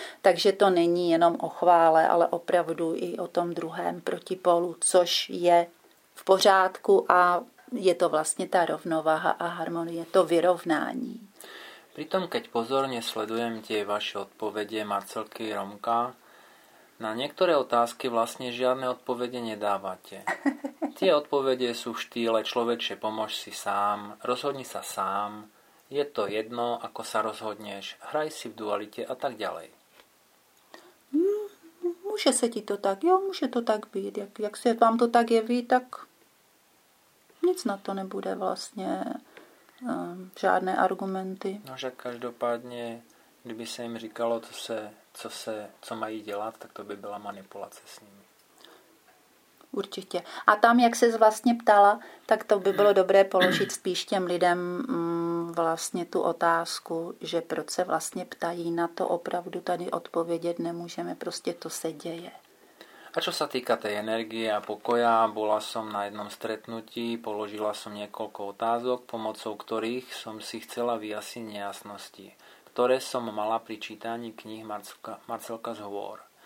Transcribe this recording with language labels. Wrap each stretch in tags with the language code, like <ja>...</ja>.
<cs>Takže to není jenom o chvále, ale opravdu i o tom druhém protipolu, což je v pořádku a je to vlastně ta rovnováha a harmonie, to vyrovnání.</cs> <sk>Přitom, keď pozorně sledujem tě vaše odpovědi, Marcelky, Romka, na niektoré otázky vlastne žiadne odpovede nedávate. Tie odpovede sú v štýle človeče, pomôž si sám, rozhodni sa sám, je to jedno, ako sa rozhodneš, hraj si v dualite a tak ďalej. Môže sa ti to tak, jo, môže to tak byť.</sk> <cs>Jak sa vám to tak jeví, tak nic na to nebude vlastne.</cs> <sk>Žiadne argumenty.</sk> <cs>Nože každopádne, kdyby sa im říkalo, to sa... co mají dělat, tak to by byla manipulace s nimi. Určitě. A tam, jak ses vlastně ptala, tak to by bylo dobré položit spíš těm lidem vlastně tu otázku, že proč se vlastně ptají, na to opravdu tady odpovědět nemůžeme, prostě to se děje.</cs> <sk>A čo sa týka té energie a pokoja, bola som na jednom stretnutí, položila som niekoľko otázok, pomocou ktorých som si chcela vyjasniť nejasnosti, ktoré som mala pri čítaní knih Marcelka z Hôr.</sk>